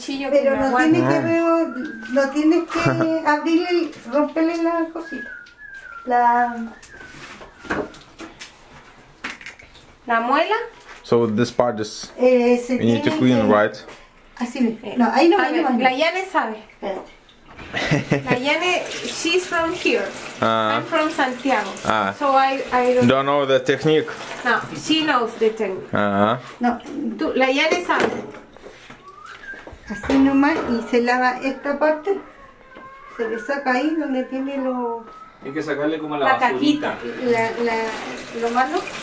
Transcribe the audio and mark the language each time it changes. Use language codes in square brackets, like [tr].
[es] Pero no tienes que no tienes que abrirle, romperle la cosita. La muela. [en] So this part is we need to clean, right? [es] Así me. No, ahí no me. La Yane sabe. Espérate. [en] La Yane, she's from here. I'm from Santiago. So I don't know the technique. No, she knows the technique. [es] No, tú, la Yane sabe. Así nomás y se lava esta parte. Se le saca ahí donde tiene lo. Hay que sacarle como la basurita. Caquita. Lo malo.